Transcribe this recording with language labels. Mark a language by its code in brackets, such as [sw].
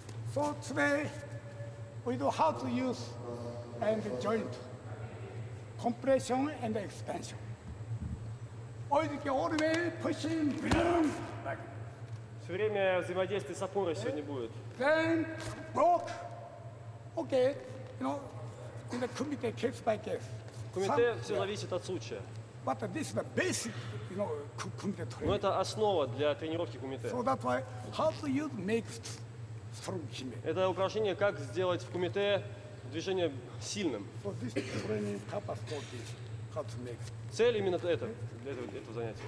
[en] So today we do how to use and joint compression and expansion. 어디게 오르매 pushing boom. [ru] Все время взаимодействия с опорой сегодня будет. [en] Then, block. Okay, you know, in the kumite, case by case. [ru] Kumite все yeah. Зависит от случая. [en] But this is the basic, you know, kumite training. [ru] Но это основа для тренировки кумите. [en] So that's why, how do you make strong kumite? [ru] Это упражнение, как сделать в кумите движение сильным. [en] So this training purpose for this, how to make. [ru] Цель именно это, для этого занятия.